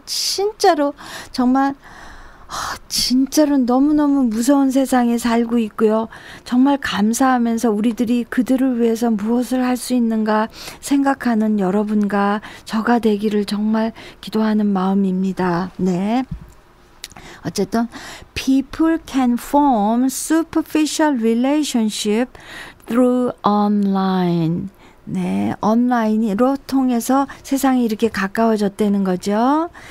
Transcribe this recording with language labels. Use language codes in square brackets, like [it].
[ko] 진짜로 정말 진짜로 너무너무 무서운 세상에 살고 있고요. 정말 감사하면서 우리들이 그들을 위해서 무엇을 할 수 있는가 생각하는 여러분과 저가 되기를 정말 기도하는 마음입니다. 네. [en] 어쨌든 people can form superficial relationship through online. [ko] 네, 온라인으로 통해서 세상이 이렇게 가까워졌다는 거죠.